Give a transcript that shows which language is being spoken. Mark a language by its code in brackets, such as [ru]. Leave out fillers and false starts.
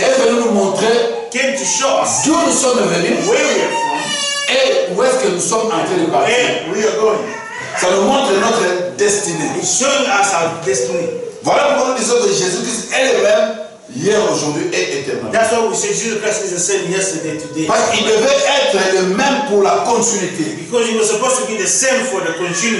[fr] est venu nous montrer [en] came to show us [fr] d'où nous sommes venus, [en] where we are from, [fr] et où est-ce que nous sommes en train de partir. [en] We are going. [fr] Ça nous montre notre destinée. [en] It's showing us our destiny. [fr] Voilà pourquoi nous disons que Jésus-Christ est le même hier, aujourd'hui et éternellement. [en] That's why we say Jesus Christ is the same yesterday, today. [fr] Parce qu'il devait être le même pour la continuité. [en] Because he was supposed to be the same for the continuity.